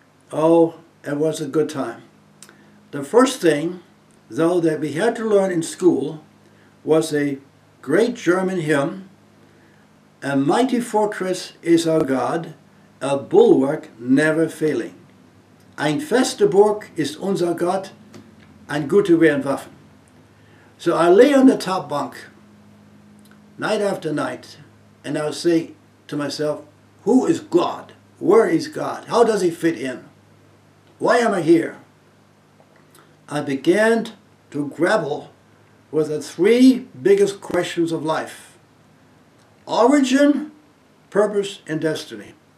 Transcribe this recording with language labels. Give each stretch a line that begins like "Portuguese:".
English: Oh, it was a good time. The first thing, though, that we had to learn in school was a great German hymn, "A Mighty Fortress Is Our God, a Bulwark Never Failing.
German: Ein feste Burg ist unser Gott, ein gute Wehr und Waffen."
English: So I lay on the top bunk, night after night, and I would say to myself, who is God? Where is God? How does he fit in? Why am I here? I began to grapple with the three biggest questions of life: origin, purpose, and destiny.